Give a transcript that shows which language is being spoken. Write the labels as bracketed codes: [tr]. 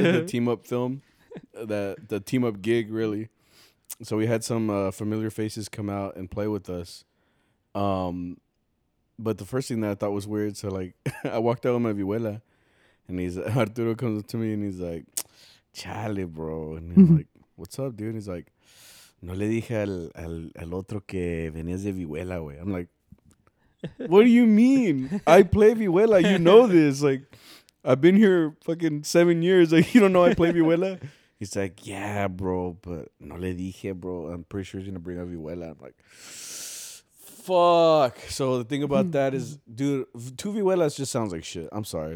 [en] The team up film. The team up gig, really. So we had some familiar faces come out and play with us. But the first thing that I thought was weird, so like I walked out with my vihuela and Arturo comes up to me and he's like, chale, bro. And he's like, what's up, dude? And he's like, [es] no le dije al otro que venías de vihuela, güey. [en] I'm like, what do you mean? I play vihuela. You know this. Like, I've been here fucking 7 years. Like, you don't know I play vihuela? He's like, yeah, bro, but [es] no le dije, [en] bro. I'm pretty sure he's going to bring a vihuela. I'm like, fuck. So the thing about that is, dude, 2 vihuelas just sounds like shit. I'm sorry.